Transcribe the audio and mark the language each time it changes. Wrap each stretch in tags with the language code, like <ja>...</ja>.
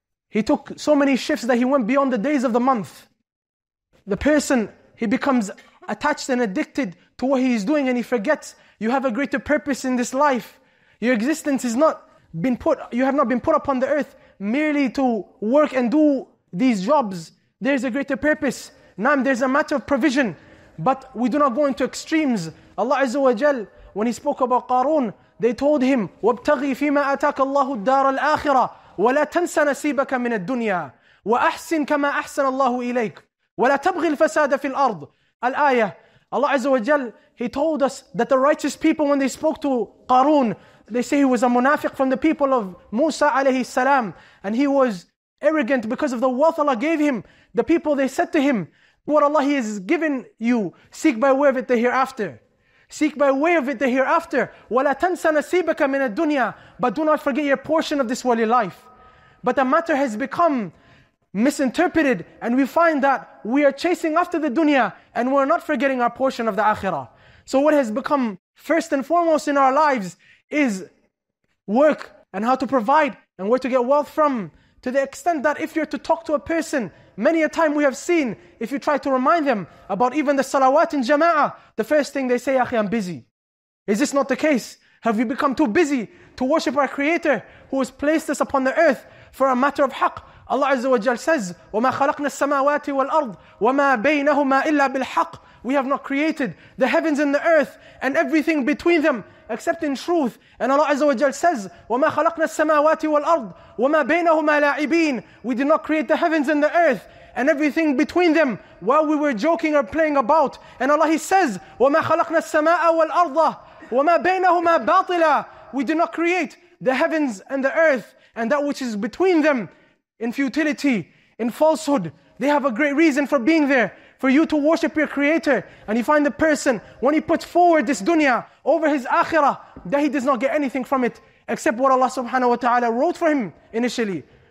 <en>He took so many shifts that he went beyond the days of the month. The person, he becomes attached and addicted to what he is doing, and he forgets you have a greater purpose in this life. Your existence is not been put, you have not been put upon the earth merely to work and do these jobs. There's a greater purpose. Naam, there's a matter of provision. But we do not go into extremes. Allah Azza wa Jal, when He spoke about Qarun, they told him,</en> <ar>وَابْتَغِي فِيمَا أَتَاكَ اللَّهُ الدَّارَ الْآخِرَةِ وَلَا تَنْسَ نَسِيبَكَ مِنَ الدُّنْيَا وَأَحْسِنْ كَمَا أَحْسَنَ اللَّهُ إِلَيْكَ وَلَا تَبْغِي الْفَسَادَ فِي الْأَرْضِ الْآيَةِ.</ar> <en>Allah Azza wa Jal, He told us that the righteous people, when they spoke to Qarun, they say he was a munafiq from the people of Musa alayhi salam, and he was arrogant because of the wealth Allah gave him. The people, they said to him, what Allah has given you, seek by way of it the hereafter. Seek by way of it the hereafter.</en> <ar>وَلَا تَنْسَ نَسِيبَكَ مِنَ الدُّنْيَا.</ar> <en>But do not forget your portion of this worldly life. But the matter has become misinterpreted, and we find that we are chasing after the dunya and we're not forgetting our portion of the akhirah. So what has become first and foremost in our lives is work and how to provide and where to get wealth from. To the extent that if you're to talk to a person, many a time we have seen, if you try to remind them about even the salawat in jama'ah, the first thing they say, "Akhi, I'm busy." Is this not the case? Have we become too busy to worship our Creator who has placed us upon the earth for a matter of haqq? Allah Azza wa Jal says,</en> <ar>وَمَا خَلَقْنَا السَّمَاوَاتِ وَالْأَرْضِ وَمَا بَيْنَهُمَا إِلَّا بِالْحَقِّ.</ar> <en>We have not created the heavens and the earth and everything between them except in truth. And Allah Azza wa Jal says,</en> <ar>وَمَا خَلَقْنَا السَّمَاوَاتِ وَالْأَرْضِ وَمَا بَيْنَهُمَا لَاعِبِينَ.</ar> <en>We did not create the heavens and the earth and everything between them while we were joking or playing about. And Allah, He says,</en> <ar>وَمَا خَلَقْنَا السَّمَاءَ وَالْأَرْضَ وَمَا بَيْنَهُمَا بَاطِلًا.</ar> <en>We did not create the heavens and the earth and that which is between them in futility, in falsehood. They have a great reason for being there, for you to worship your Creator. And you find the person, when he puts forward this dunya over his akhirah, that he does not get anything from it, except what Allah subhanahu wa ta'ala wrote for him initially.</en>